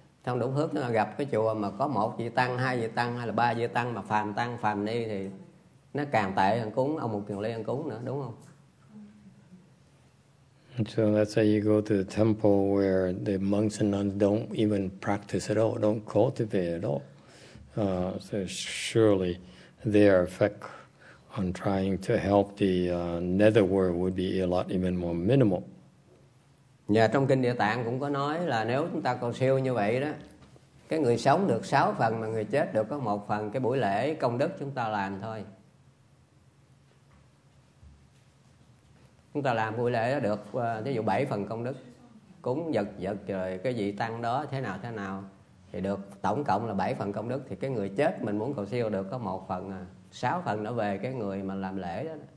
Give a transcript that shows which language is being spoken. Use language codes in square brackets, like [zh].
[vi] Trong đủ phước nó gặp cái chùa mà có một vị tăng, hai vị tăng hay là ba vị tăng mà phàm tăng, phàm ni thì nó càng tệ hơn cúng ông Mục Kiền Liên cúng nữa, đúng không? [en] So let's say you go to the temple where the monks and nuns don't even practice at all, don't cultivate at all. So surely their effect on trying to help the netherworld would be a lot even more minimal. [vi] Và trong kinh Địa Tạng cũng có nói là nếu chúng ta cầu siêu như vậy đó, cái người sống được 6 phần mà người chết được có 1 phần cái buổi lễ công đức chúng ta làm thôi. Chúng ta làm buổi lễ đó được ví dụ 7 phần công đức, cúng vật vật rồi cái vị tăng đó thế nào thì được tổng cộng là 7 phần công đức, thì cái người chết mình muốn cầu siêu được có 1 phần, 6 phần nó về cái người mà làm lễ đó.